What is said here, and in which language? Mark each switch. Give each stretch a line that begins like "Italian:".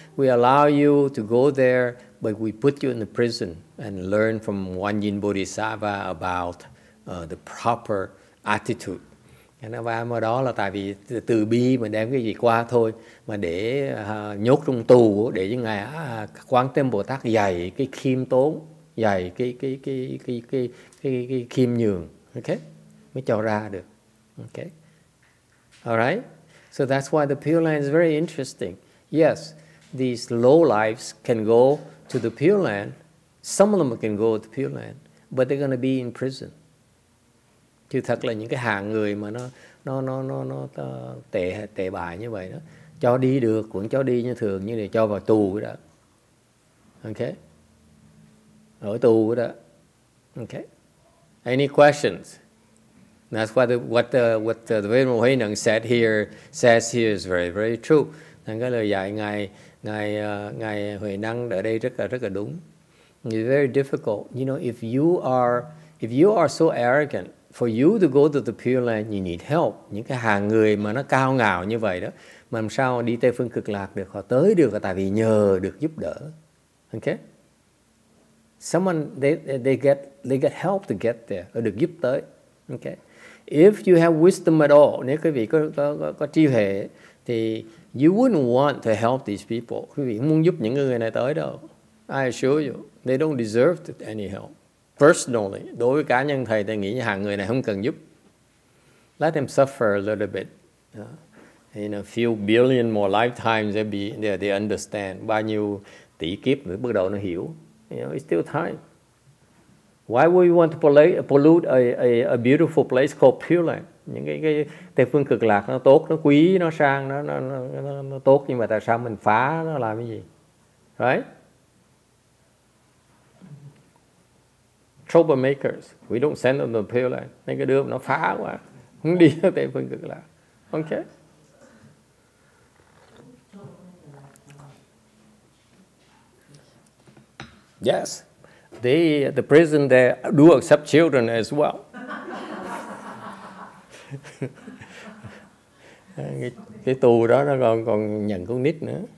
English: We allow you to go there, but we put you in the prison and learn from one Yin Bodhisattva about the proper attitude.
Vietnamese: Cái nó vào đó là tại vì từ bi mà đem cái gì qua thôi mà để nhốt trong tù để cho ngài Quan Tâm Bồ Tát dạy cái khiêm tốn, dạy cái khiêm nhường, okay, mới cho ra được, okay.
English: Alright, so that's why the Pure Land is very interesting. Yes, these low lives can go to the Pure Land. Some of them can go to the Pure Land, but they're going to be in prison.
Vietnamese: Chứ thật là những cái hạng người mà nó tệ tệ bại như vậy đó, cho đi được vẫn cho đi như thường, như là cho vào tù đó, okay, ở tù đó, okay.
English: Any questions? That's what the Venerable Huệ Năng says here is very very true.
Vietnamese: Thành cái lời dạy ngài Huệ Năng ở đây rất là đúng.
English: It's very difficult, you know, if you are so arrogant. For you to go to the Pure Land, you need help.
Vietnamese: Những cái hàng người mà nó cao ngạo như vậy đó, mà làm sao đi Tây Phương Cực Lạc được, họ tới được là tại vì nhờ được giúp đỡ. Okay?
English: Someone, they get help to get there, or
Vietnamese: được giúp tới.
English: Okay? If you have wisdom at all,
Vietnamese: nếu quý vị có trí huệ, thì
English: you wouldn't want to help these people.
Vietnamese: Quý vị không muốn giúp những người này tới đâu.
English: I assure you, they don't deserve any help. Personally,
Vietnamese: đối với cá nhân thầy, thầy nghĩ hàng người này không cần giúp.
English: Let them suffer a little bit. In a few billion more lifetimes, they understand.
Vietnamese: Bao nhiêu tỷ kiếp mới bắt đầu nó hiểu.
English: You know, it's still time. Why would you want to pollute a beautiful place called Pure Land?
Vietnamese: Những cái Tây Phương Cực Lạc nó tốt, nó quý, nó sang, nó tốt, nhưng mà tại sao mình phá nó làm cái gì?
English: Right? Troublemakers, we don't send them to the Pure Land.
Vietnamese: Mấy cái đứa nó phá quá, không đi tới Tây Phương Cực Lạc.
English: Okay. Yes, the prison there do accept children as well.
Vietnamese: cái tù đó nó còn nhận con nít nữa.